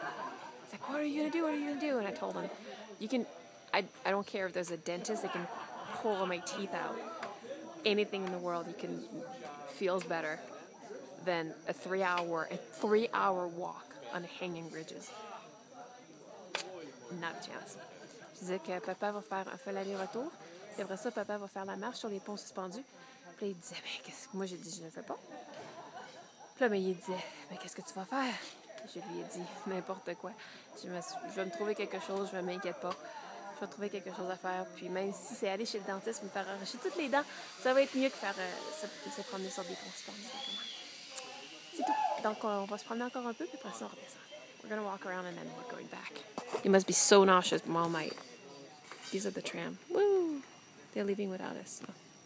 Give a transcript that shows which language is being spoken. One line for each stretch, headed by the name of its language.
English: He's like, what are you going to do? And I told him, I don't care if there's a dentist that can pull my teeth out. Anything in the world feels better than a three-hour walk on hanging bridges. Not a chance.
French: Je disais que papa va faire un feu aller-retour. Après ça, papa va faire la marche sur les ponts suspendus. Puis il disait, mais qu'est-ce que moi j'ai dit, je ne le fais pas. Puis là, mais il disait, mais qu'est-ce que tu vas faire? Je lui ai dit, n'importe quoi. Je vais me trouver quelque chose, je ne m'inquiète pas. Je vais trouver quelque chose à faire. Puis même si c'est aller chez le dentiste, me faire arracher toutes les dents, ça va être mieux que faire se promener sur des ponts suspendus. C'est tout. Donc, on va se promener encore un peu, puis après ça, on redescend.
English: We're going to walk around and then we're going back. You must be so nauseous, mom. These are the tram. Woo! They're leaving without us. So.